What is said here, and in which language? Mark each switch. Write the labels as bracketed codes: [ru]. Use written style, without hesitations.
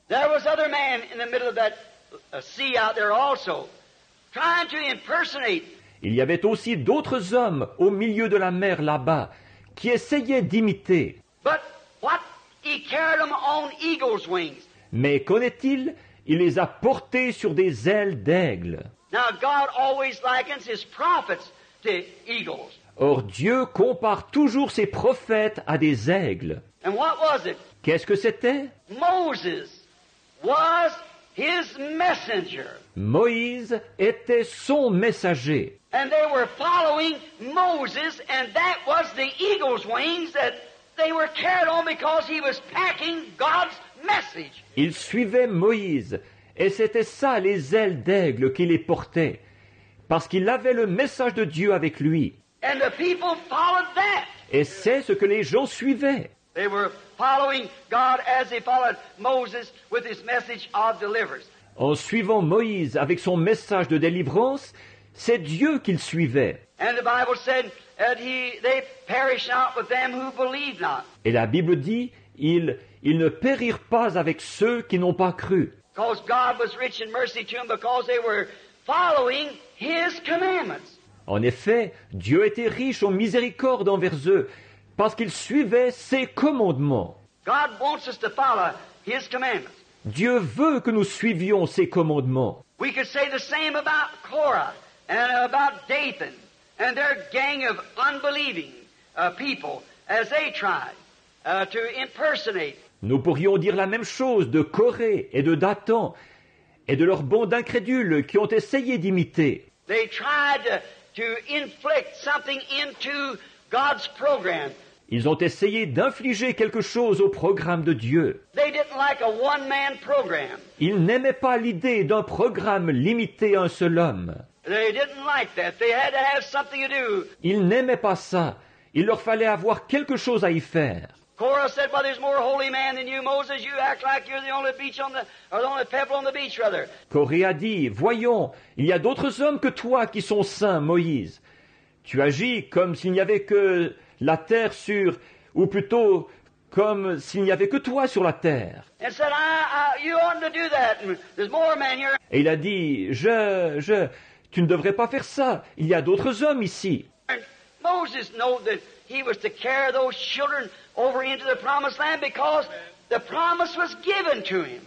[en] There was other man in the middle of that sea out there also, trying to impersonate. [fr] Il y avait aussi d'autres hommes au milieu de la mer là-bas, qui essayaient d'imiter. [en] But what? He carried them on eagle's wings. [fr] Mais qu'en est-il? Il les a portés sur des ailes d'aigle. [en] Now God always likens his prophets to eagles. [fr] Or Dieu compare toujours ses prophètes à des aigles. [en] And what was it? [fr] Qu'est-ce que c'était? [en] Moses was his messenger. [fr] Moïse était son messager. [en] And they were following Moses, and that was the eagle's wings that they were carried on because he was packing God's message. [fr] Ils suivaient Moïse, et c'était ça les ailes d'aigle qui les portaient, parce qu'il avait le message de Dieu avec lui. [en] And the people followed that. [fr] Et c'est ce que les gens suivaient. [en] They were following God as they followed Moses with his message of deliverance. [fr] En suivant Moïse avec son message de délivrance, c'est Dieu qu'il suivait. [en] And the Bible said, that they perish not with them who believe not. [fr] Et la Bible dit, ils ne périrent pas avec ceux qui n'ont pas cru. [en] Because God was rich in mercy to them because they were following his commandments. [fr] En effet, Dieu était riche en miséricorde envers eux parce qu'ils suivaient ses commandements. [en] God wants us to follow his commandments. [fr] Dieu veut que nous suivions ses commandements. [en] We could say the same about Korah and about Dathan. And their gang of unbelieving people, as they tried to impersonate. [fr] Nous pourrions dire la même chose de Corée et de Dathan et de leur bande incrédule qui ont essayé d'imiter. [en] They tried to inflict something into God's program. [fr] Ils ont essayé d'infliger quelque chose au programme de Dieu. [en] They didn't like a one-man program. [fr] Ils n'aimaient pas l'idée d'un programme limité à un seul homme. [en] They didn't like that. They had to have something to do. [fr] Ils n'aimaient pas ça. Il leur fallait avoir quelque chose à y faire. [en] Korah said, "Well, there's more holy man than you, Moses. You act like you're the only beach on the, or the only pebble on the beach, rather." [fr] Korah a dit, voyons, il y a d'autres hommes que toi qui sont saints, Moïse. Tu agis comme s'il n'y avait que la terre sur, ou plutôt comme s'il n'y avait que toi sur la terre. [en] And said, you oughtn't to do that. There's more men here. [fr] Et il a dit, tu ne devrais pas faire ça. Il y a d'autres hommes ici. [en] And Moses knew that he was to carry those children over into the promised land because the promise was given to him.